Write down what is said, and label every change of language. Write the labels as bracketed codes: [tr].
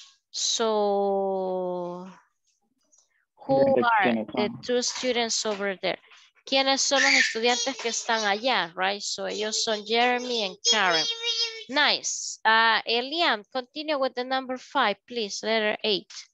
[en] So, who are the two students over there? [es] ¿Quiénes son los estudiantes que están allá, right? So, ellos son Jeremy and Karen. Nice. [en] Eliam, continue with the number five, please, letter eight.